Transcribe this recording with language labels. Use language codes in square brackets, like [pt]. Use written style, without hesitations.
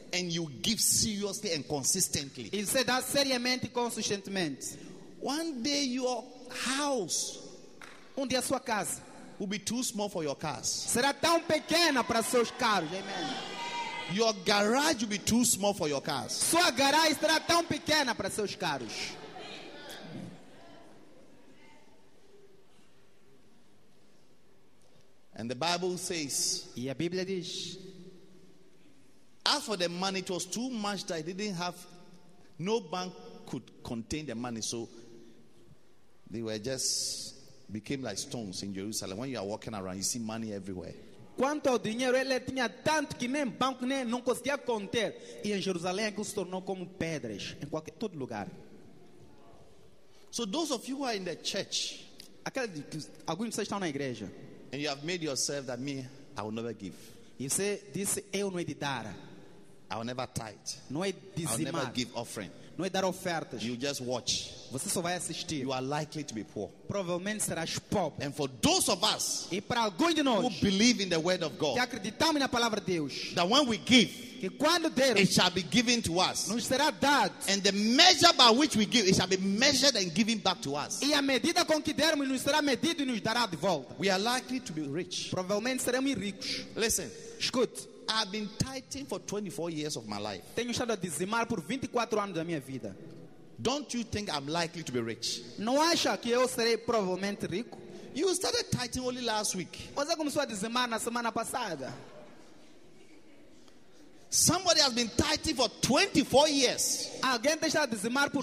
[en] And you give seriously and consistently. [pt] E você dá seriamente e consistentemente. [en] One day your house. [pt] Um dia sua casa. [en] Will be too small for your cars. [pt] Será tão pequena para seus carros. Amen. [en] Your garage will be too small for your cars. [pt] Sua garagem será tão pequena para seus carros. [en] And the Bible says, [pt] e a Bíblia diz, [en] as for the money, it was too much that I didn't have, no bank could contain the money. So they were just became like stones in Jerusalem. When you are walking around, you see money everywhere. [pt] Quanto dinheiro ele tinha tanto que nem banco nem não conseguia conter. E em Jerusalém ele se tornou como pedras em qualquer todo lugar. [en] So those of you who are in the church, [pt] alguns de vocês estão na igreja. [en] And you have made yourself that me, I will never give. [pt] E você disse eu não é de dar. [en] I will never tithe. [pt] Não é dizimar. [en] I will never give offering. [pt] Não é dar ofertas. [en] You just watch. [pt] Você só vai assistir. [en] You are likely to be poor. [pt] Provavelmente serás pobre. [en] And for those of us, [pt] e para alguns de nós, [en] who believe in the word of God, [pt] que acreditamos na palavra de Deus, [en] that when we give, [pt] que quando deram, [en] it shall be given to us. [pt] Nos será dado. [en] And the measure by which we give, it shall be measured and given back to us. [pt] E a medida com que dermos nos será medido e nos dará de volta. [en] We are likely to be rich. [pt] Provavelmente seremos ricos. [en] Listen. [pt] Escute. [en] I've been tithing for 24 years of my life. [pt] Tenho estado a dizimar por 24 anos da minha vida. [en] Don't you think I'm likely to be rich? [pt] Não acha que eu serei provavelmente rico? [en] You started tithing only last week. [pt] Você começou a dizimar na semana passada. [en] Somebody has been tithing for 24 years. [pt] Alguém tem estado a dizimar por